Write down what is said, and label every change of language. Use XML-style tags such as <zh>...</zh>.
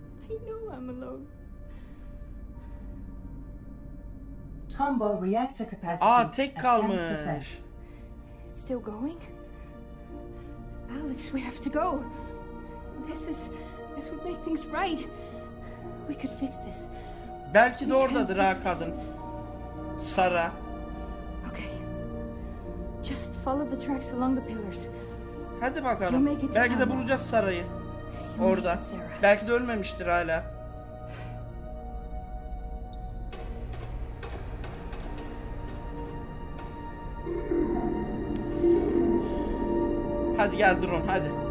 <en>I know I'm alone. Tombo reactor capacity... Aa,</en> <tr>tek kalmış.</tr> <en>It's still going? Alex, we have to go. This would make things right. We could fix this.</en> <tr>Belki de oradadır ha kadın. Sara.</tr> <en>Okay. Just follow the tracks along the pillars.</en> <tr>Hadi bakalım. Belki de bulacağız Sara'yı. Orada. Belki de ölmemiştir hala. Hadi gel drone, hadi.</tr>